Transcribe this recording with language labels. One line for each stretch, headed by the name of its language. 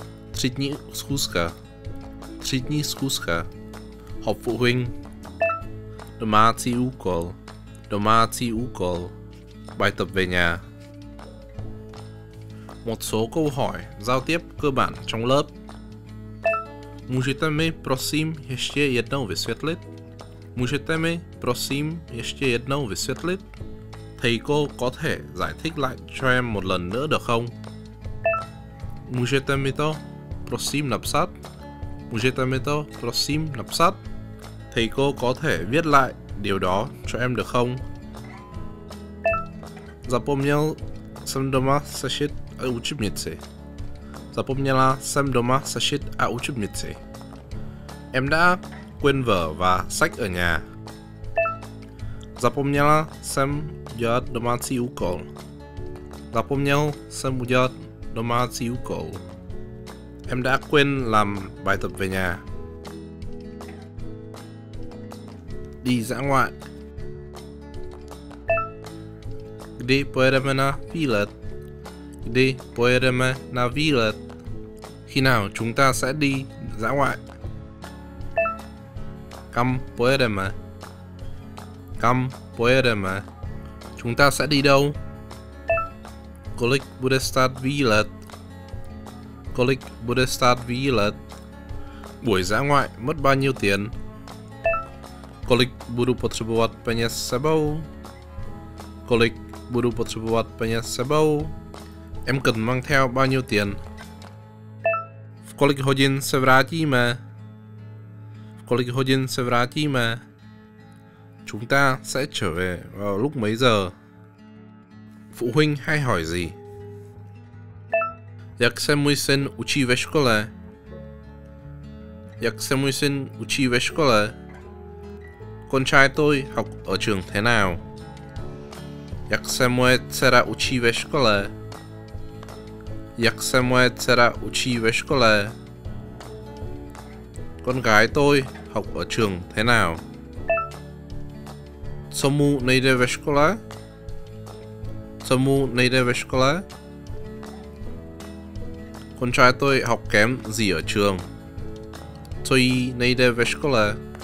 Czech: Třídní schůzka. Třídní schůzka. Hopfuhing. Domácí úkol. Domácí úkol. Bajtopvěňa.
Vietnamese: Một số câu hỏi giao tiếp cơ bản trong lớp.
Czech: Můžete mi prosím ještě jednou vysvětlit? Můžete mi prosím ještě jednou vysvětlit?
Vietnamese: Thầy cô có thể giải thích lại cho em một lần nữa được không?
Czech: Můžete mi to prosím napsat? Můžete mi to prosím napsat?
Vietnamese: Thầy cô có thể viết lại điều đó cho em được không?
Czech: Zapomněl jsem doma sešit a učebnici. Zapomněla jsem doma sešit a učebnici.
Vietnamese: Em đã quên vở và sách ở nhà.
Czech: Zapomněla jsem udělat domácí úkol. Zapomněl jsem udělat domácí úkol.
Vietnamese: Em đã quên làm bài tập về nhà. Đi dã ngoại.
Czech: Kdy pojedeme na výlet? Kdy pojedeme na výlet?
Vietnamese: Khi nào chúng ta sẽ đi dã ngoại?
Czech: Kam pojedeme? Kam pojedeme?
Vietnamese: Chúng ta sẽ đi đâu?
Czech: Kolik bude stát výlet? Kolik bude stát výlet?
Vietnamese: Buổi dã ngoại mất bao nhiêu tiền?
Czech: Kolik budu potřebovat peněz sebou? Kolik budu potřebovat peněz sebou?
Vietnamese: Em cần mang theo bao nhiêu tiền?
Czech: V kolik hodin se vrátíme? V kolik hodin se vrátíme?
Vietnamese: Chúng ta sẽ trở về vào lúc mấy giờ? Phụ huynh hay hỏi gì?
Czech: Jak se můj syn učí ve škole? Jak se můj syn učí ve škole?
Vietnamese: Con trai tôi học ở trường thế nào?
Czech: Jak se moje dcera učí ve škole? Jak se moje dcera učí ve škole?
Vietnamese: Con gái tôi học ở trường thế nào?
Czech: Co mu nejde ve škole? Co mu nejde ve škole?
Vietnamese: Con trai tôi học kém gì ở trường?
Czech: Co jí nejde ve škole?